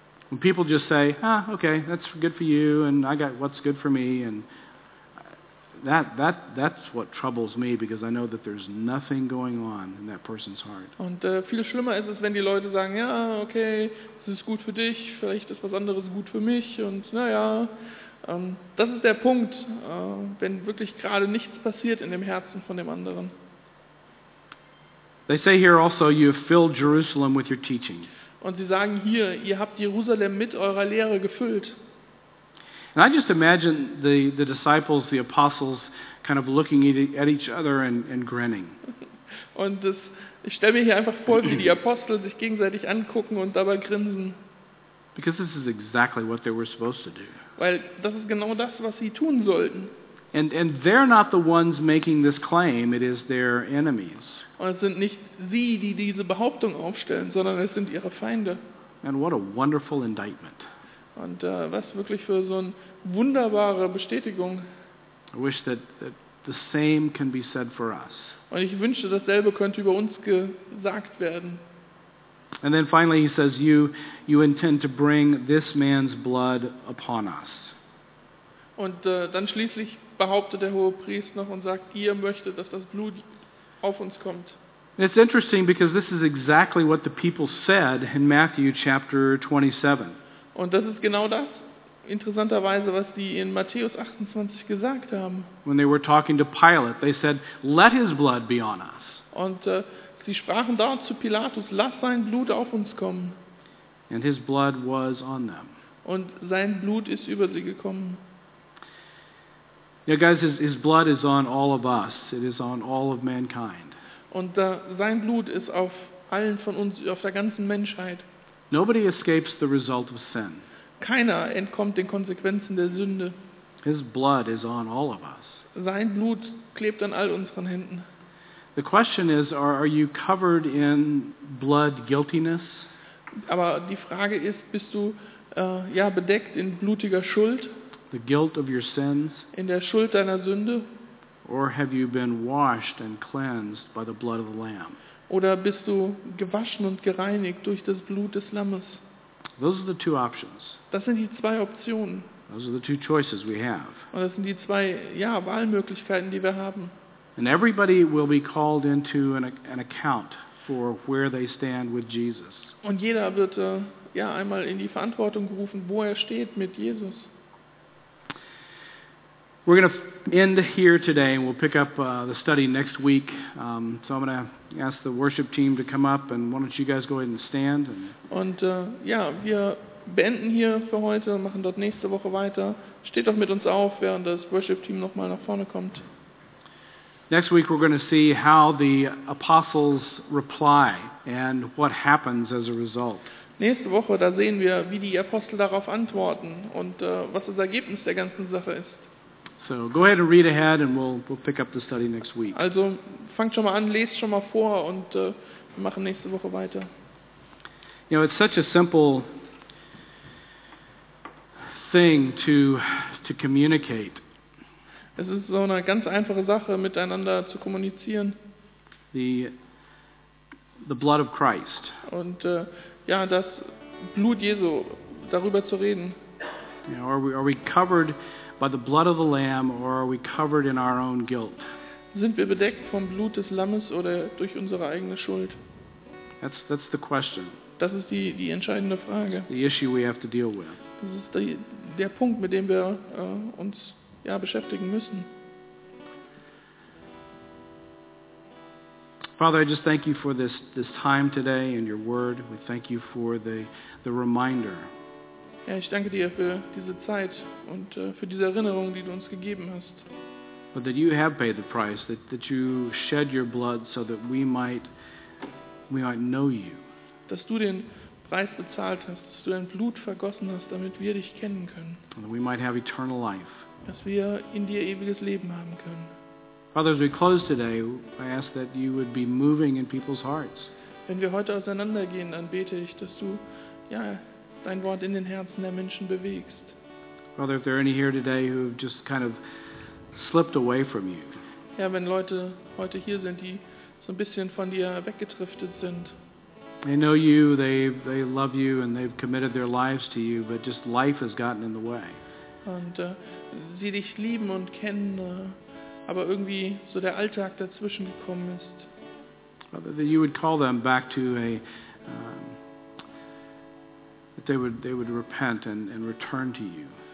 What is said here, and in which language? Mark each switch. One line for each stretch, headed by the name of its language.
English: When people just say, "Ah, okay, that's good for you, and I got what's good for me," and That's what troubles me, because I know that there's nothing going on in that person's heart.
German: Und viel schlimmer ist es, wenn die Leute sagen, ja, okay, es ist gut für dich, vielleicht ist was anderes gut für mich, und naja, das ist der Punkt, wenn wirklich gerade nichts passiert in dem Herzen von dem anderen.
English: They say here also, you have filled Jerusalem with your teaching.
German: Und sie sagen hier, ihr habt Jerusalem mit eurer Lehre gefüllt.
English: And I just imagine the disciples, the apostles, kind of looking at each other and grinning.
German: Und das, ich stelle mir hier einfach vor, wie die Apostel sich gegenseitig angucken und dabei grinsen.
English: Because this is exactly what they were supposed to do.
German: Weil das ist genau das, was sie tun sollten.
English: And they're not the ones making this claim, it is their enemies.
German: Und es sind nicht sie, die diese Behauptung aufstellen, sondern es sind ihre Feinde.
English: And what a wonderful indictment.
German: Und was wirklich für so eine wunderbare Bestätigung.
English: I wish that the same can be said for us.
German: Und ich wünschte, dasselbe könnte über uns gesagt werden.
English: And then finally he says, you intend to bring this man's blood upon us.
German: Und dann schließlich behauptet der hohe Priester noch und sagt, ihr möchtet, dass das Blut auf uns kommt.
English: It's interesting, because this is exactly what the people said in Matthew chapter 27.
German: Und das ist genau das, interessanterweise, was die in Matthäus 28 gesagt haben.
English: When they were talking to Pilate, they said, let his blood be on us.
German: Und sie sprachen dort zu Pilatus, lass sein Blut auf uns kommen.
English: And his blood was on them.
German: Und sein Blut ist über sie gekommen.
English: Yeah, guys, his blood is on all of us. It is on all of mankind.
German: Und sein Blut ist auf allen von uns, auf der ganzen Menschheit.
English: Nobody escapes the result of sin.
German: Keiner entkommt den Konsequenzen der Sünde.
English: His blood is on all of us.
German: Sein Blut klebt an all unseren Händen.
English: The question is, are you covered in blood guiltiness?
German: Aber die Frage ist, bist du bedeckt in blutiger Schuld?
English: The guilt of your sins?
German: In der Schuld deiner Sünde?
English: Or have you been washed and cleansed by the blood of the Lamb?
German: Oder bist du gewaschen und gereinigt durch das Blut des Lammes?
English: Those are the two options.
German: Das sind die zwei Optionen.
English: Those are the two choices we have.
German: Und das sind die zwei Wahlmöglichkeiten, die wir haben.
English: And everybody will be called into an account for where they stand with Jesus.
German: Und jeder wird einmal in die Verantwortung gerufen, wo er steht mit Jesus.
English: We're going to end here today, and we'll pick up the study next week. So I'm going to ask the worship team to come up, and why don't you guys go ahead and stand?
German: Wir beenden hier für heute, machen dort nächste Woche weiter. Steht doch mit uns auf, während das Worship Team noch mal nach vorne kommt.
English: Next week we're going to see how the apostles reply and what happens as a result.
German: Nächste Woche, da sehen wir, wie die Apostel darauf antworten und was das Ergebnis der ganzen Sache ist.
English: So go ahead and read ahead, and we'll pick up the study next week.
German: Also fangt schon mal an, lest schon mal vor, und wir machen nächste Woche weiter.
English: You know, it's such a simple thing to communicate.
German: Es ist so eine ganz einfache Sache, miteinander zu kommunizieren.
English: The blood of Christ.
German: Und das Blut Jesu, darüber zu reden.
English: You know, are we covered by the blood of the Lamb, or are we covered in our own guilt?
German: Sind wir bedeckt vom Blut des Lammes oder durch unsere eigene Schuld?
English: That's the question.
German: Das ist die entscheidende Frage.
English: The issue we have to deal with.
German: Das ist der Punkt, mit dem wir uns beschäftigen müssen.
English: Father, I just thank you for this time today and your word. We thank you for the reminder.
German: Ja, ich danke dir für diese Zeit und für diese Erinnerung, die du uns gegeben hast.
English: But that you have paid the price, that you shed your blood so that we might know you.
German: Dass du den Preis bezahlt hast, dass du dein Blut vergossen hast, damit wir dich kennen können.
English: And that we might have eternal life.
German: Dass wir in dir ewiges Leben haben können.
English: Father, as we close today, I ask that you would be moving in people's hearts.
German: Wenn wir heute auseinandergehen, dann bete ich, dass du dein Wort in den Herzen der Menschen bewegst.
English: Father, if there are any here today who have just kind of slipped away from you.
German: Ja, wenn Leute heute hier sind, die so ein bisschen von dir weggedriftet sind.
English: They know you, they love you, and they've committed their lives to you, but just life has gotten in the way.
German: Und sie dich lieben und kennen, aber irgendwie so der Alltag dazwischen gekommen ist.
English: Father, that you would call them back to a that they would repent and return to you.